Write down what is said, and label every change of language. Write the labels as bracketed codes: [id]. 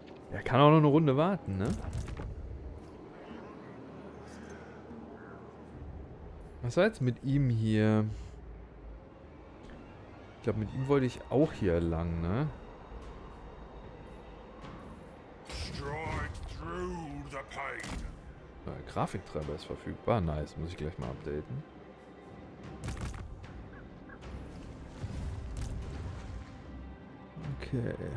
[de] Er kann auch noch eine Runde warten, ne? Was war jetzt mit ihm hier? Ich glaube, mit ihm wollte ich auch hier lang, ne? [en] Strike through the pain. [de] Grafiktreiber ist verfügbar. Nice, muss ich gleich mal updaten. Okay.